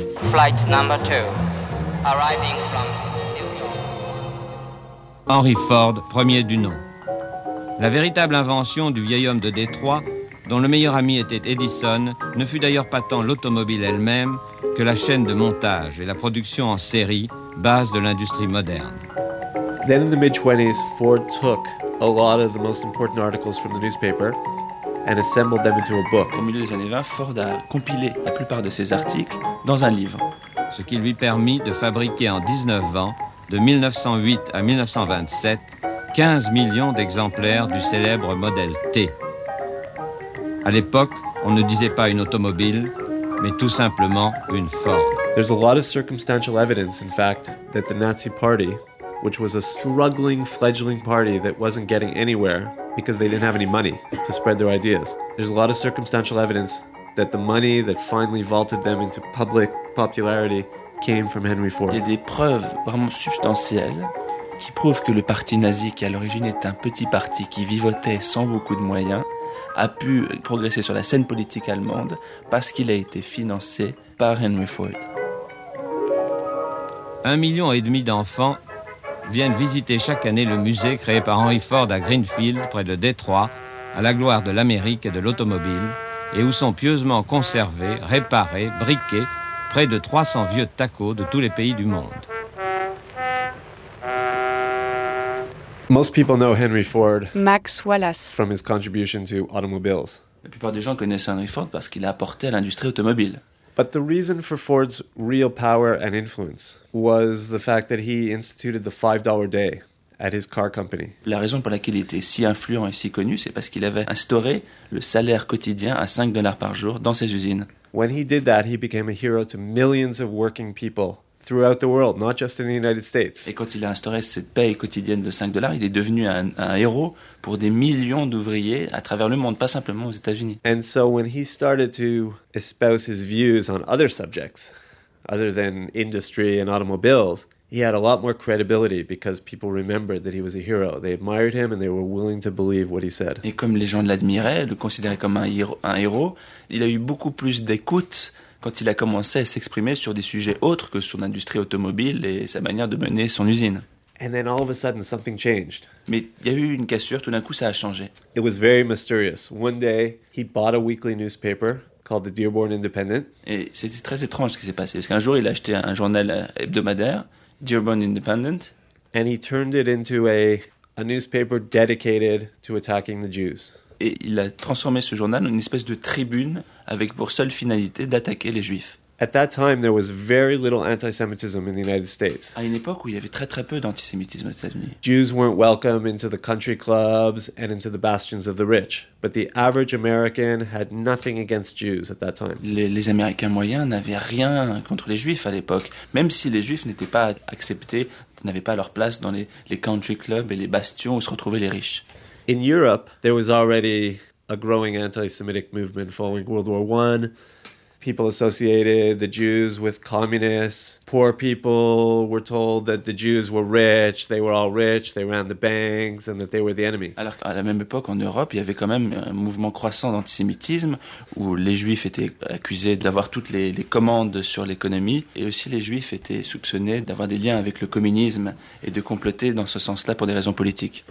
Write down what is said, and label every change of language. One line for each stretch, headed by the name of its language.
English: Flight number 2, arriving from...
French: Henry Ford, premier du nom. La véritable invention du vieil homme de Détroit, dont le meilleur ami était Edison, ne fut d'ailleurs pas tant l'automobile elle-même que la chaîne de montage et la production en série, base de l'industrie moderne.
English: Then in the mid-20s, Ford took a lot of the most important articles from the newspaper and assembled them into a book.
French: Au milieu des années 20, Ford a compilé la plupart de ses articles dans un livre. Ce qui lui permit de fabriquer en 19 ans de 1908 à 1927, 15 millions d'exemplaires du célèbre modèle T. À l'époque, on ne disait pas une automobile, mais tout simplement une Ford.
English: There's a lot of circumstantial evidence, in fact, that the Nazi Party, which was a struggling, fledgling party that wasn't getting anywhere because they didn't have any money to spread their ideas. There's a lot of circumstantial evidence that the money that finally vaulted them into public popularity came from Henry Ford.
French: Il y a des preuves vraiment substantielles qui prouvent que le parti nazi, qui à l'origine est un petit parti qui vivotait sans beaucoup de moyens, a pu progresser sur la scène politique allemande parce qu'il a été financé par Henry Ford. 1,5 million d'enfants viennent visiter chaque année le musée créé par Henry Ford à Greenfield, près de Détroit, à la gloire de l'Amérique et de l'automobile, et où sont pieusement conservés, réparés, briqués, près de 300 vieux tacos de tous les pays du monde.
English: Most people know Henry Ford. Max Wallace. From his contribution to automobiles.
French: La plupart des gens connaissent Henry Ford parce qu'il a apporté à l'industrie automobile.
English: But the reason for Ford's real power and influence was the fact that he instituted the $5 day at his car company.
French: La raison pour laquelle il était si influent et si connu, c'est parce qu'il avait instauré le salaire quotidien à $5 par jour dans ses usines.
English: When he did that, he became a hero to millions of working people throughout the world, not just in the United States.
French: Et quand il a instauré cette paye quotidienne de $5, il est devenu un héros pour des millions d'ouvriers à travers le monde, pas simplement aux États-Unis.
English: And so when he started to espouse his views on other subjects, other than industry and automobiles, he had a lot more credibility because people remembered that he was a hero. They admired him and they were willing to believe what he said.
French: Et comme les gens l'admiraient, le considéraient comme un héros, il a eu beaucoup plus d'écoute quand il a commencé à s'exprimer sur des sujets autres que son industrie automobile et sa manière de mener son usine.
English: And then all of a sudden something changed.
French: Mais il y a eu une cassure, tout d'un coup ça a changé.
English: It was very mysterious. One day he bought a weekly newspaper called the Dearborn Independent.
French: Et c'était très étrange ce qui s'est passé, parce qu'un jour il a acheté un journal hebdomadaire, Dearborn Independent,
English: and he turned it into a newspaper dedicated to attacking the Jews.
French: Et il a transformé ce journal en une espèce de tribune avec pour seule finalité d'attaquer les Juifs.
English: At that time, there was very little anti-Semitism in the United States.
French: À une époque où il y avait très très peu d'antisémitisme aux États-Unis.
English: Jews weren't welcome into the country clubs and into the bastions of the rich. But the average American had nothing against Jews at that time.
French: Les Américains moyens n'avaient rien contre les Juifs à l'époque, même si les Juifs n'étaient pas acceptés, n'avaient pas leur place dans les country clubs et les bastions où se retrouvaient les riches.
English: In Europe, there was already a growing anti-Semitic movement following World War I. People associated the Jews with communists. Poor people were told that the Jews were rich, they were all rich, they ran the banks, and that they were the enemy.
French: Alors qu'à la même époque, en Europe, il y avait quand même un mouvement croissant d'antisémitisme où les Juifs étaient accusés d'avoir toutes les commandes sur l'économie et aussi les Juifs étaient soupçonnés d'avoir des liens avec le communisme et de comploter dans ce sens-là pour des raisons politiques.